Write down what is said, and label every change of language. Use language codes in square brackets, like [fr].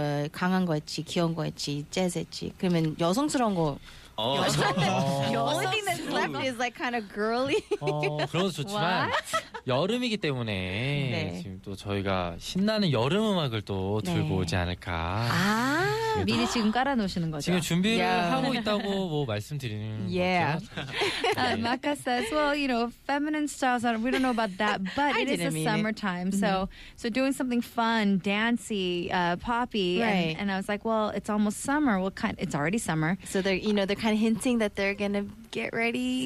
[ko] 강한 거였지, 귀여운 거였지, 재즈였지. 그러면 여성스러운 거. [en] Only thing that's left is like kind of girly. [ko] 그런 것도 좋지만 여름이기 때문에 네. 지금 또 저희가 신나는 여름 음악을 또 들고 네. 오지 않을까. 아, 미리 지금 깔아놓으시는 거죠. 지금 준비를 yeah. 하고 있다고 뭐 말씀드리는 [en] yeah. [ko] 거죠. [en] Maka says, well, you know, feminine styles, we don't know about that, but it is the summertime. So, so doing something fun, dancey, poppy. Right. And I was like, well, it's almost summer. Well, kind of, it's already summer. So they're, you know, they're kind of hinting that they're going to get ready.